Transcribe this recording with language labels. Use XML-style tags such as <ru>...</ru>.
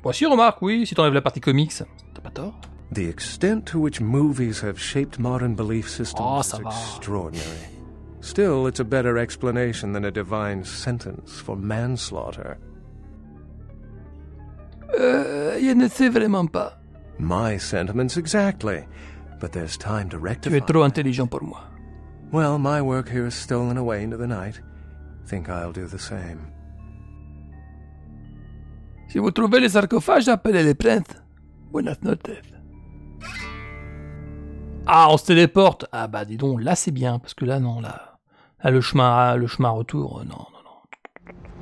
<fr>Bon, si, remarque, oui, si t'enlèves la partie comics, t'as pas tort.</fr> <en>The extent to which movies have shaped modern belief systems is extraordinary. Still, it's a better explanation than a divine sentence for manslaughter.</en> <fr>Je ne sais vraiment pas.</fr> <en>My sentiments exactly, but there's time to rectify.</en> <fr>Tu es trop intelligent pour moi.</fr> <en>Well, my work here is stolen away into the night. Think I'll do the same.</en> <fr>Si vous trouvez les sarcophages, appelez les prêtres.</fr> <es>Buenas noches.</es> <fr>Ah, on se téléporte. Ah bah dis donc, là c'est bien, parce que là non, là le chemin retour, non, non, non.</fr>